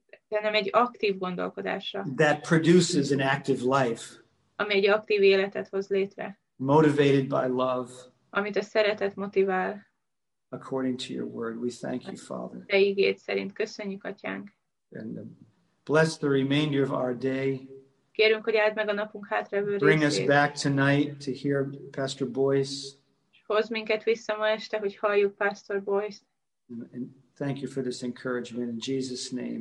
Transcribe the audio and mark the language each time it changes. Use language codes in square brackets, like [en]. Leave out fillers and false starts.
[hu] Hanem egy aktív gondolkodásra. [en] That produces an active life. [hu] Ami egy aktív életet hoz létre. [en] Motivated by love. [hu] Amit a szeretet motivál. [en] According to your word, we thank you, Father. [hu] Te igéd szerint köszönjük, Atyánk. [en] And bless the remainder of our day. [hu] Kérünk, hogy áld meg a napunk hátrevő részét. [en] Bring us back tonight to hear Pastor Boyce. [hu] Hozz minket vissza ma este, hogy halljuk Pastor Boyce. [en] And thank you for this encouragement in Jesus' name.